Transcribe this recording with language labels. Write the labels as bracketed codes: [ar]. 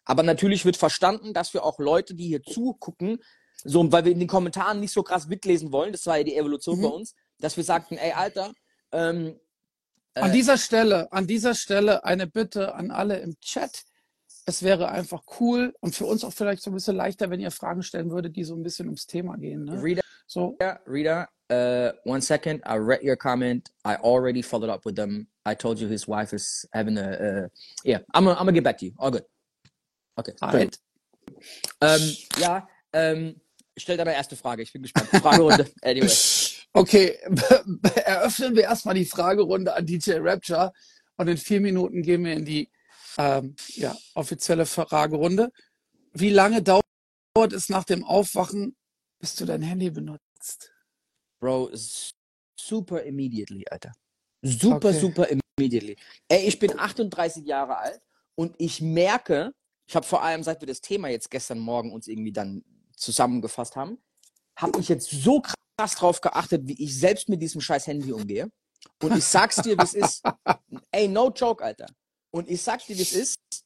[de] Aber natürlich wird verstanden, dass wir auch Leute, die hier zugucken, so, weil wir in den Kommentaren nicht so krass mitlesen wollen, das war ja die Evolution bei uns, dass wir sagten, ey, Alter, An dieser Stelle eine Bitte an alle im Chat. Es wäre einfach cool und für uns auch vielleicht so ein bisschen leichter, wenn ihr Fragen stellen würdet, die so ein bisschen ums Thema gehen, ne? So. [en] One second, I read your comment. I already followed up with them. I told you his wife is having a I'm gonna get back to you. All good. Okay, cool. Alright. [de] Stell deine erste Frage. Ich bin gespannt. Fragerunde, anyway. Okay, eröffnen wir erstmal die Fragerunde an DJ Rapture und in 4 Minuten gehen wir in die offizielle Fragerunde. Wie lange dauert es nach dem Aufwachen, bis du dein Handy benutzt? [en] Bro, super immediately, Alter. Super, Okay. super immediately. [de] Ey, ich bin 38 Jahre alt und ich merke, ich habe vor allem, seit wir das Thema jetzt gestern Morgen uns irgendwie dann zusammengefasst haben, habe ich jetzt so krass drauf geachtet, wie ich selbst mit diesem scheiß Handy umgehe. Und ich sag's dir, wie es ist. Ey, no joke, Alter. Und ich sag's dir, wie es ist.